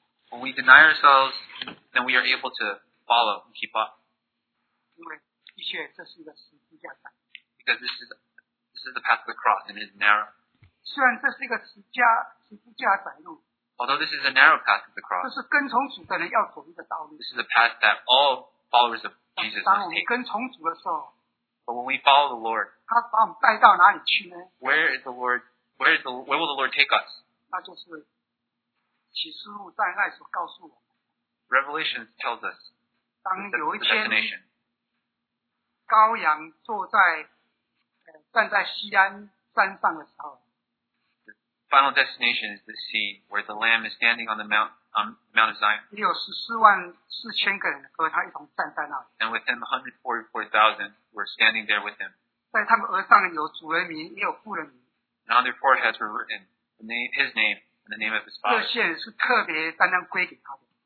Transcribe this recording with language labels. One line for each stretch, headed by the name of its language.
English: When we deny ourselves, then we are able to follow and keep up. Because this is the path of the cross and it is narrow.
Chinese: 虽然这是一个十字架窄路,
English: although this is a narrow path of the cross,
Chinese: 这是跟从主的人要走的道路,
English: this is a path that all followers of Jesus must take.
Chinese: 当我们跟从主的时候,
English: but when we follow the Lord,
Chinese: 他把我们带到哪里去呢?
English: Where will the Lord take us?
Chinese: 那就是启示录在那里所告诉我们。
English: Revelation tells us the destination.
Chinese: 羔羊坐在站在锡安山上的时候
English: The final destination is the sea where the Lamb is standing on the Mount of Zion.
Chinese: 有144,000个人和他一同站在那里。
English: And with him 144,000 were standing there with him.
Chinese: 在他们额上有主人名，也有父人名。
English: And on their foreheads were written his name and the name of his father.
Chinese: 这些人是特别单单归给他的。